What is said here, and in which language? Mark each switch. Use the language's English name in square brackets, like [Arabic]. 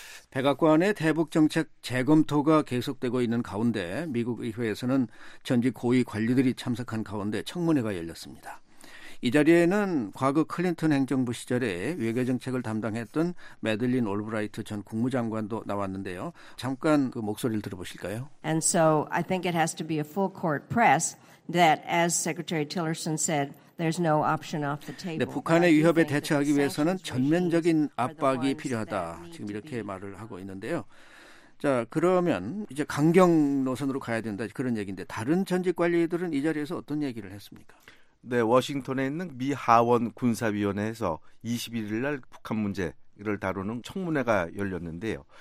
[Korean] 백악관의 대북정책 재검토가 계속되고 있는 가운데 미국 의회에서는 전직 고위 관료들이 참석한 가운데 청문회가 열렸습니다. 이 자리에는 과거 클린턴 행정부 시절에 외교정책을 담당했던 매들린 올브라이트 전 국무장관도 나왔는데요. 잠깐 그 목소리를 들어보실까요? [English] And so I think it has to be a full court press that as Secretary Tillerson said, There's no option off the table. [Korean] 네, 북한의 위협에 대처하기 위해서는 전면적인 압박이 필요하다. 지금 이렇게 말을 하고 있는데요. 자, 그러면 이제 강경 노선으로 가야 된다. 그런 얘기인데 다른 전직 관리들은 이 자리에서 어떤 얘기를 했습니까? 네, 워싱턴에 있는 미 하원 군사위원회에서 21일 날 북한 문제를 다루는 청문회가 열렸는데요.